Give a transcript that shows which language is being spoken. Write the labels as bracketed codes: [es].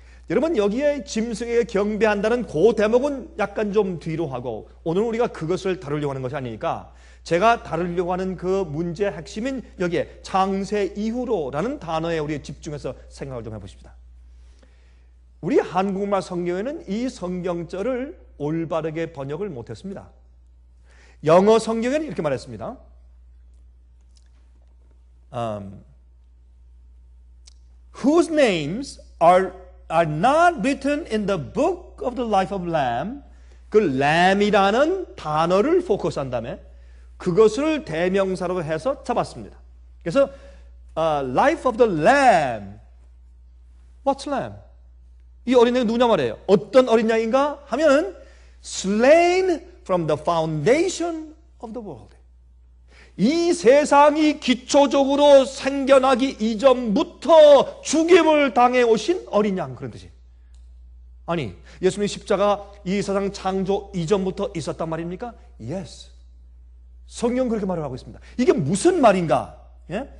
[ko] 여러분 여기에 짐승에게 경배한다는 그 대목은 약간 좀 뒤로 하고 오늘 우리가 그것을 다루려고 하는 것이 아니니까 제가 다루려고 하는 그 문제의 핵심인 여기에 창세 이후로라는 단어에 우리 집중해서 생각을 좀 해보십시다. 우리 한국말 성경에는 이 성경절을 올바르게 번역을 못했습니다. 영어 성경에는 이렇게 말했습니다. [en] Whose names are not written in the book of the life of Lamb. [ko] 그 Lamb이라는 단어를 포커스한 다음에 그것을 대명사로 해서 잡았습니다. 그래서 life of the Lamb. [en] What's Lamb? [ko] 이 어린 양이 누구냐 말이에요. 어떤 어린 양인가 하면 [en] slain from the foundation of the world. [ko] 이 세상이 기초적으로 생겨나기 이전부터 죽임을 당해 오신 어린 양 그런 뜻이. 아니 예수님의 십자가 이 세상 창조 이전부터 있었단 말입니까? [en] Yes. [ko] 성경 그렇게 말을 하고 있습니다. 이게 무슨 말인가? 예?